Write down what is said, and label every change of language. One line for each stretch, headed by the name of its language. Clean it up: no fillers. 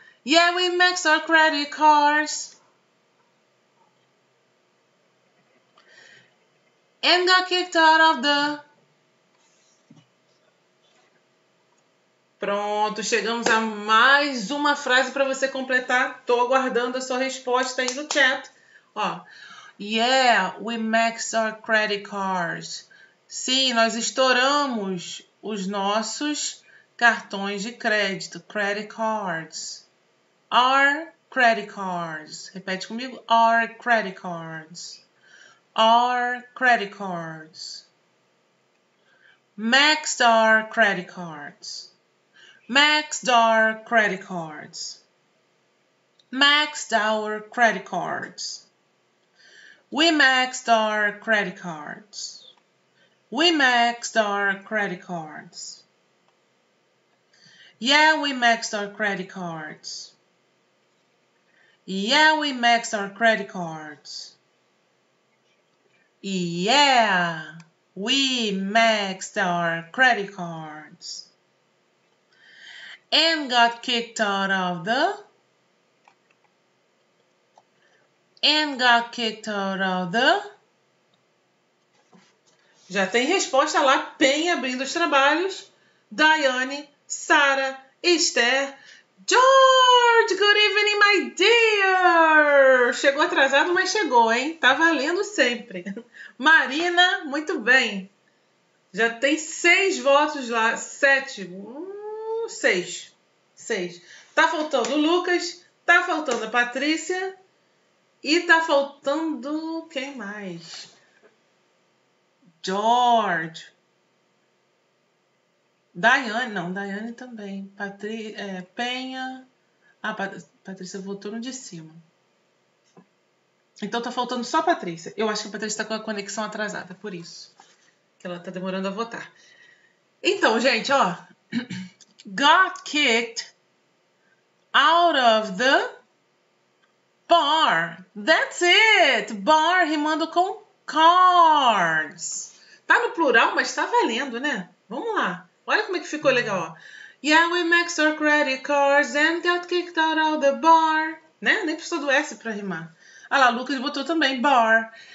English: Yeah, we max our credit cards. And got kicked out of the.
Portuguese: Pronto, chegamos a mais uma frase para você completar. Tô aguardando a sua resposta aí no chat. Ó.
English: Yeah, we max our credit cards.
Portuguese: Sim, nós estouramos os nossos cartões de crédito.
English: Credit cards. Our credit cards.
Portuguese: Repete comigo.
English: Our credit cards. Our credit cards. Maxed our credit cards. Maxed our credit cards. Maxed our credit cards. We maxed our credit cards. We maxed our credit cards. Yeah, we maxed our credit cards. Yeah, we maxed our credit cards. Yeah, we maxed our credit cards. And got kicked out of the. And got kicked out of the.
Portuguese: Já tem resposta lá, bem abrindo os trabalhos. Daiane, Sara, Esther, George,
English: good evening, my dear!
Portuguese: Chegou atrasado, mas chegou, hein? Tá valendo sempre. Marina, muito bem. Já tem 6 votos lá. 7. 6. 6. Tá faltando o Lucas, tá faltando a Patrícia e tá faltando quem mais? George. Daiane, não, Daiane também. Penha. Ah, Patrícia voltou no de cima. Então tá faltando só a Patrícia. Eu acho que a Patrícia tá com a conexão atrasada, por isso que ela tá demorando a votar. Então, gente, ó.
English: Got kicked out of the bar. That's it! Bar
Portuguese: rimando com
English: cards.
Portuguese: Tá no plural, mas tá valendo, né? Vamos lá. Olha como é que ficou legal, ó.
English: Yeah, we maxed our credit cards and got kicked out of the bar.
Portuguese: Né? Nem precisou do S pra rimar. Ah lá, Lucas botou também bar.